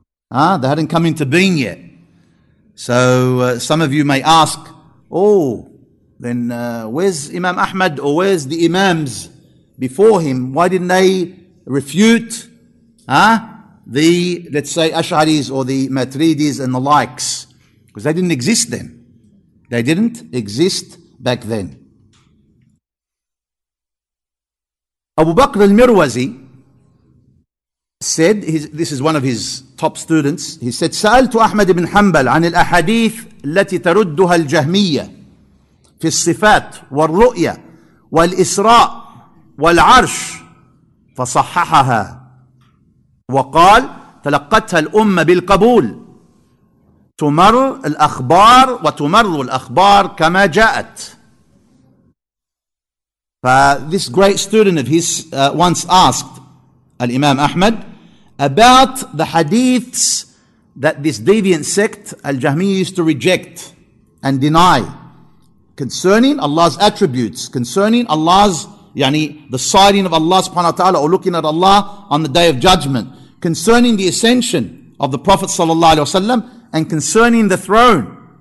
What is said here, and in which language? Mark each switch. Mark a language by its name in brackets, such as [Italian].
[English] They hadn't come into being yet. So some of you may ask, where's Imam Ahmad, or where's the Imams before him? Why didn't they refute the, let's say, Ash'aris or the Maturidis and the likes? Because they didn't exist then. They didn't exist back then. Abu Bakr al-Mirwazi said, this is one of his top students, he said, [Arabic] سَأَلْتُ أَحْمَدِ بْنْ حَنْبَلْ عَنِ الْأَحَدِيثِ الَّتِي تَرُدُّهَا الْجَهْمِيَّةِ فِي الصِّفَاتِ وَالرُّؤْيَةِ وَالْإِسْرَاءِ وَالْعَرْشِ فَصَحَّحَهَا وقال تلقتها الأمة بالقبول تمر الأخبار وتمر الأخبار كما جاءت. [English] This great student of his once asked Al-Imam Ahmad about the hadiths that this deviant sect Al-Jahmiyyah used to reject and deny concerning Allah's attributes, concerning Allah's the sighting of Allah subhanahu wa ta'ala, or looking at Allah on the day of judgment, concerning the ascension of the Prophet sallallahu alaihi wasallam, and concerning the throne.